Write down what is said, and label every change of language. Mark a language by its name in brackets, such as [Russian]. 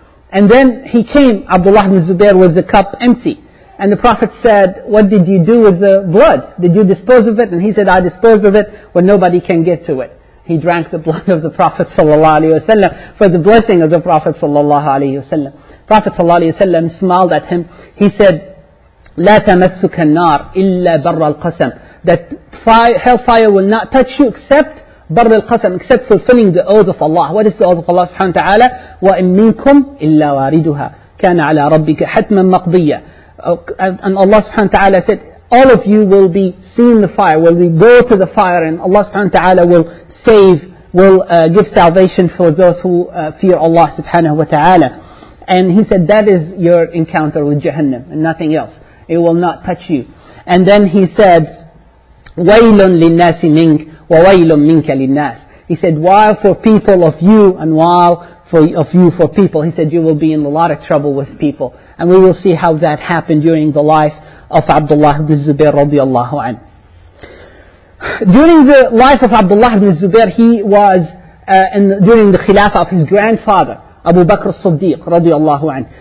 [English] And then he came, Abdullah ibn Zubair, with the cup empty. And the Prophet said, "What did you do with the blood? Did you dispose of it?" And he said, "I disposed of it when nobody can get to it." He drank the blood of the Prophet sallallahu alaihi wasallam for the blessing of the Prophet sallallahu alaihi wasallam. Prophet sallallahu alaihi wasallam smiled at him. He said, [Arabic] "لا تمسك النار إلا بر القسم." [English] That hellfire will not touch you except [Arabic] بر القسم, [English] except fulfilling the oath of Allah. What is the oath of Allah subhanahu wa taala? [Arabic] وإن منكم إلا واردها كان على ربك حتما مقضية. [English] And Allah subhanahu wa ta'ala said, all of you will be seen the fire, will be brought to the fire, and Allah subhanahu wa ta'ala will save, will give salvation for those who fear Allah subhanahu wa ta'ala. And he said, that is your encounter with Jahannam and nothing else. It will not touch you. And then he said, [Arabic] وَيْلٌ لِلنَّاسِ مِنْكَ وَوَيْلٌ مِنْكَ لِلنَّاسِ. [English] He said, while for people of you and while for people, he said, you will be in a lot of trouble with people. And we will see how that happened during the life of Abdullah ibn Zubair radiallahu anhu. During the life of Abdullah ibn Zubair, he was during the khilafah of his grandfather, Abu Bakr as-Siddiq radiallahu anhu.